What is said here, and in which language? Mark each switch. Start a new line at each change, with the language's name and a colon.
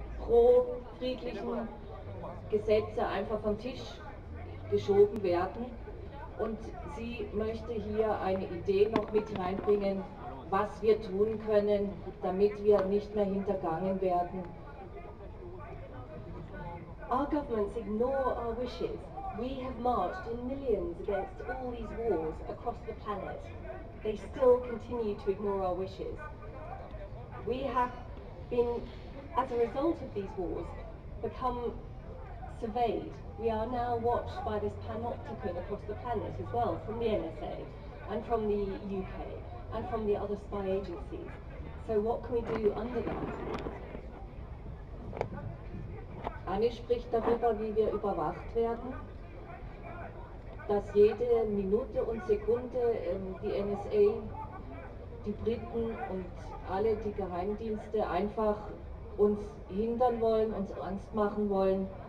German: pro-friedlichen Gesetze einfach vom Tisch geschoben werden. Und sie möchte hier eine Idee noch mit reinbringen, was wir tun können, damit wir nicht mehr hintergangen werden.
English: Our governments ignore our wishes. We have marched in millions against all these wars across the planet. They still continue to ignore our wishes. We have been, as a result of these wars, become surveyed. We are now watched by this panopticon across the planet as well, from the NSA and from the UK and from the other spy agencies. So what can we do under that?
German: Annie spricht darüber, wie wir überwacht werden, dass jede Minute und Sekunde die NSA, die Briten und alle die Geheimdienste einfach uns hindern wollen, uns Angst machen wollen.